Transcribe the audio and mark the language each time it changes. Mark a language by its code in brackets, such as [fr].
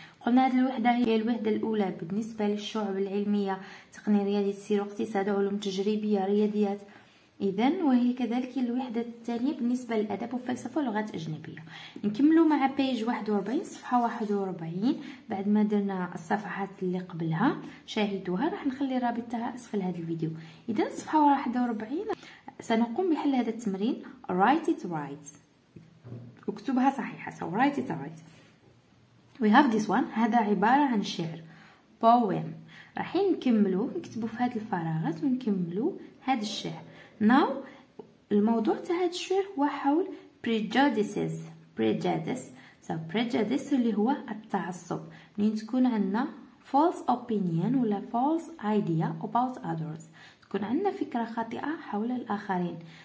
[ar] قلنا هذه الوحدة هي الوحدة الأولى بالنسبة للشعب العلمية، تقنية رياضية السير واقتصاد علوم تجريبية رياضيات إذا، وهي كذلك الوحدة الثانية بالنسبة للأدب والفلسفة ولغات أجنبية. نكملوا مع بيج 41 صفحة 41 بعد ما درنا الصفحات اللي قبلها، شاهدوها راح نخلي رابطها أسفل هذا الفيديو. إذا صفحة 41 سنقوم بحل هذا التمرين. [en] write it right، [ar] اكتبها صحيحة. [en] so write it right. we have this one، [ar] هذا عبارة عن شعر [en] poem. [ar] راح نكملوا نكتبوا في هذه الفراغات ونكملوا هذا الشعر. Now الموضوع تاع هاد الشعر هو حول prejudices. prejudice اللي هو التعصب، منين تكون عندنا [en] false opinion [ar] ولا [en] false idea about others، [ar] تكون عندنا فكره خاطئه حول الاخرين.